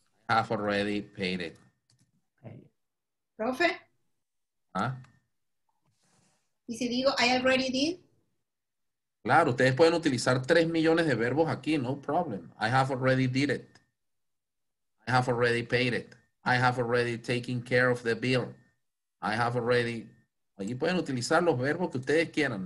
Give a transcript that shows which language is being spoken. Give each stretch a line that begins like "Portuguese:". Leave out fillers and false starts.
English: I have already paid it.
Spanish: Profe? ¿Ah? ¿Y si digo,
English: I already did?
Spanish: Claro, ustedes pueden utilizar 3 millones de verbos aquí,
English: no problem. I have already did it. I have already paid it. I have already taken care of the bill. I have already.
Spanish: Allí pueden utilizar los verbos que ustedes quieran.